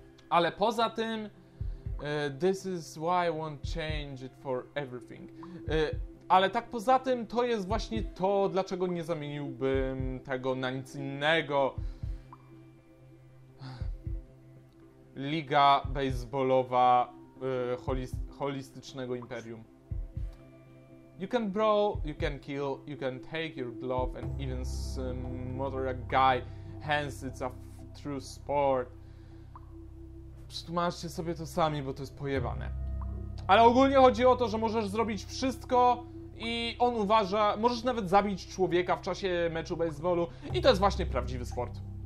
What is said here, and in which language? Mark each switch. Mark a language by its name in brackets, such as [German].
[Polish] Ale poza tym, [English] this is why I won't change it for everything. [Polish] Ale tak poza tym, to jest właśnie to, dlaczego nie zamieniłbym tego na nic innego. Liga baseballowa holistycznego imperium. [English] You can brawl, you can kill, you can take your glove and even smother a guy, hence it's a true sport. [Polish] Przetłumaczcie sobie to sami, bo to jest pojebane. Ale ogólnie chodzi o to, że możesz zrobić wszystko i on uważa, możesz nawet zabić człowieka w czasie meczu baseballu i to jest właśnie prawdziwy sport.